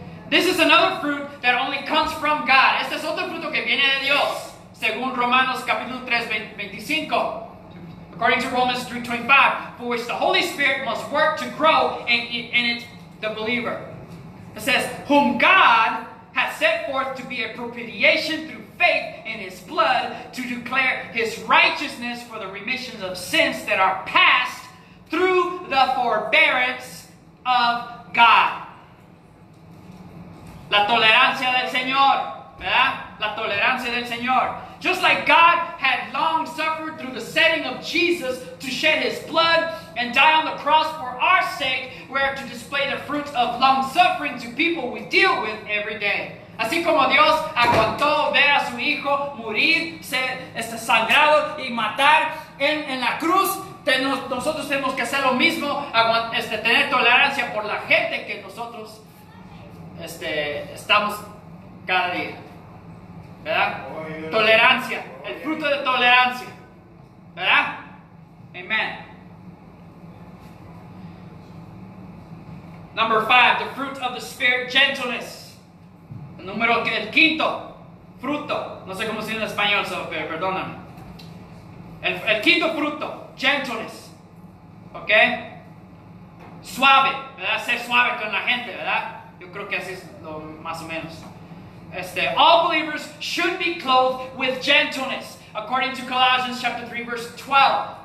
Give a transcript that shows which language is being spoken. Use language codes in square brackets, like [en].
[en] This is another fruit that only comes from God. [es] Este es otro fruto que viene de Dios, según Romanos capítulo 3, 25. [en] According to Romans 3, 25, for which the Holy Spirit must work to grow in it the believer. It says, whom God has set forth to be a propitiation through faith in his blood, to declare his righteousness for the remission of sins that are passed through the forbearance of God. [es] La tolerancia del Señor, ¿verdad? La tolerancia del Señor. [en] Just like God had long suffered through the setting of Jesus to shed his blood and die on the cross for our sake, we are to display the fruits of long suffering to people we deal with every day. [es] Así como Dios aguantó ver a su hijo morir, ser sangrado y matar en la cruz, nosotros tenemos que hacer lo mismo, tener tolerancia por la gente que nosotros estamos cada día. ¿Verdad? Tolerancia. El fruto de tolerancia. ¿Verdad? Amen. [en] Number 5. The fruit of the Spirit. Gentleness. [es] Número el quinto. Fruto. No sé cómo se dice en español, pero perdóname. El quinto fruto. [en] Gentleness. [es] ¿Ok? Suave. ¿Verdad? Ser suave con la gente. ¿Verdad? Yo creo que así es lo más o menos. All believers should be clothed with gentleness, according to Colossians chapter 3, verse 12.